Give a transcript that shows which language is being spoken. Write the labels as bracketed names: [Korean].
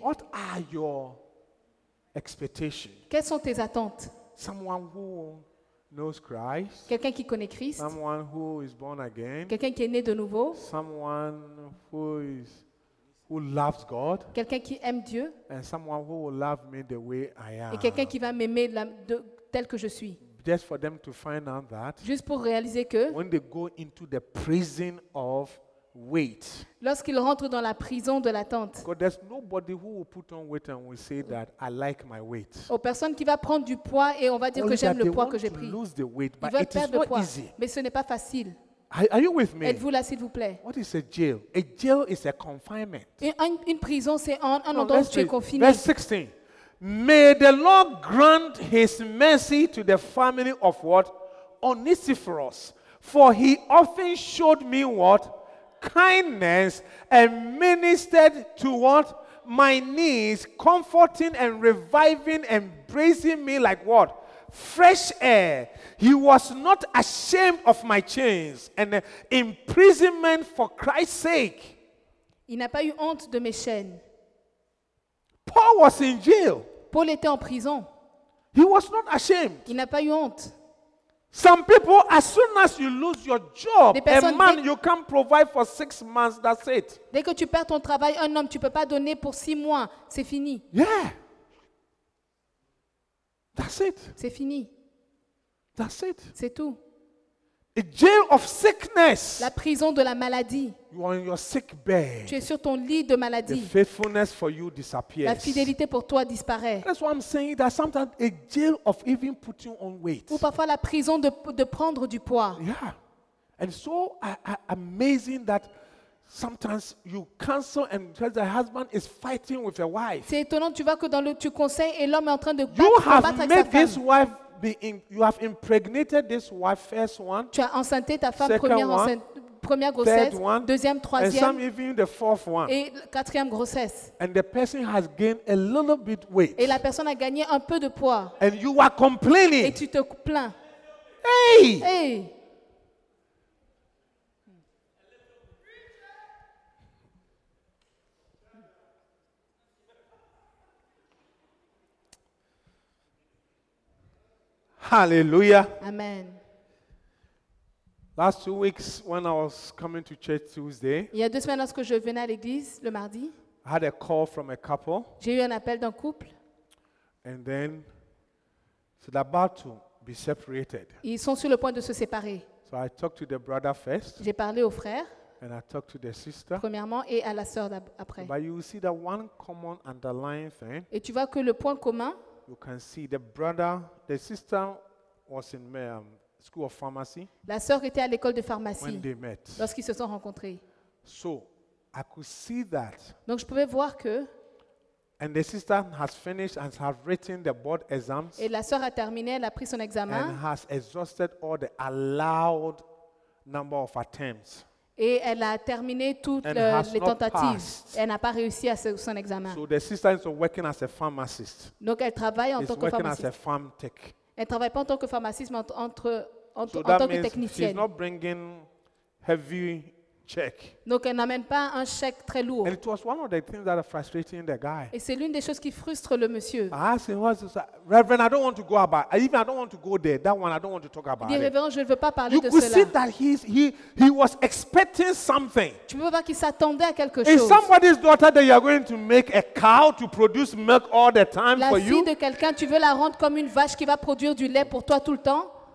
[English] What are your expectations? [French] Quelles sont tes attentes? [English] Someone who knows Christ. [French] Quelqu'un qui connaît Christ. [English] Someone who is born again. [French] Quelqu'un qui est né de nouveau. [English] Someone who loves God. [French] Quelqu'un qui aime Dieu. [English] And someone who will love me the way I am. [French] Et quelqu'un qui va m'aimer tel que je suis. [English] Just for them to find out that. [French] Juste pour réaliser que. [English] When they go into the prison of wait. [French] Lorsqu'ils rentrent dans la prison de l'attente. [English] Because there's nobody who will put on weight and will say that I like my weight. [French] Oh, personne qui va prendre du poids et on va dire [English] only [French] que j'aime le poids que j'ai pris. [English] Lose the weight, but it is not easy. [French] Mais ce n'est pas facile. [English] Are you with me? [French] Êtes-vous là, s'il vous plaît? [English] What is a jail? A jail is a confinement. [French] Une prison, c'est un endroit où tu es confiné. [English] Verse 16. May the Lord grant his mercy to the family of what? Onesiphorus. For he often showed me what? Kindness and ministered to what? My needs, comforting and reviving and embracing me like what? Fresh air. He was not ashamed of my chains and imprisonment for Christ's sake. [French] Il n'a pas eu honte de mes chaînes. [English] Paul was in jail. [French] Paul était en prison. [English] He was not ashamed. [French] Il n'a pas eu honte. [English] Some people, as soon as you lose your job, a man, you can't provide for 6 months, that's it. [French] Dès que tu perds ton travail, un homme, tu ne peux pas donner pour 6 mois, c'est fini. [English] Yeah. That's it. [French] C'est fini. [English] That's it. [French] C'est tout. [English] A jail of sickness. [French] La prison de la maladie. [English] You are in your sick bed. [French] Tu es sur ton lit de maladie. [English] The faithfulness for you disappears. [French] La fidélité pour toi disparaît. [English] That's why I'm saying that sometimes a jail of even putting on weight. [French] Ou parfois la prison de prendre du poids. [English] Yeah. And so amazing that sometimes you counsel and tell the husband is fighting with your wife. [French] C'est étonnant, tu vois que tu conseilles et l'homme est en train de battre avec sa femme. [English] You have made this wife you have impregnated this wife, first one. [French] Tu as enceinté ta femme, première grossesse, [English] third one, [French] deuxième, troisième, [English] and some even the fourth one. [French] Et quatrième grossesse. [English] And the person has gained a little bit weight. [French] Et la personne a gagné un peu de poids. [English] And you are complaining. [French] Et tu te plains. Hey! Hey! Hallelujah. Amen. [English] Last 2 weeks when I was coming to church Tuesday. [French] Il y a deux semaines lorsque je venais à l'église le mardi. [English] I had a call from a couple. [French] J'ai eu un appel d'un couple. [English] And then they're about to be separated. [French] Ils sont sur le point de se séparer. [English] So I talked to the brother first. [French] J'ai parlé au frère. [English] And I talked to the sister. [French] Premièrement et à la sœur après. [English] But you see that one common underlying thing. [French] Et tu vois que le point commun. [English] You can see the brother, the sister was in my school of pharmacy. [French] La sœur était à l'école de pharmacie. [English] When they met. [French] Lorsqu'ils se sont rencontrés. [English] So I could see that. [French] Donc je pouvais voir que. [English] And the sister has finished and has written the board exams. [French] Et la sœur a terminé, elle a pris son examen. [English] And has exhausted all the allowed number of attempts. [French] Et elle a terminé toutes les tentatives. Elle n'a pas réussi à son examen. [English] So the sister is working as a pharmacist. [French] Donc elle travaille en tant que pharmaciste. [English] As a pharm tech. [French] Elle travaille pas en tant que pharmaciste, mais en tant que technicienne. [English] She's not bringing heavy check. [French] Donc elle n'amène pas un chèque très lourd. [English] And it was one of the things that are frustrating the guy. [French] Et c'est l'une des choses qui frustre le monsieur. [English] I asked him, Reverend, I don't want to go about. Even I don't want to go there. That one, I don't want to talk about. [French] Dit Reverend, je ne veux pas parler [English] you [French] de cela. [English] You could see that he was expecting something. [French] Tu peux voir qu'il s'attendait à quelque [English] is [French] chose. [English] Is somebody's daughter that you are going to make a cow to produce milk all the time [French] la [English] for you? [French] La fille de quelqu'un, tu veux la rendre comme une vache qui va produire du lait pour toi tout le temps?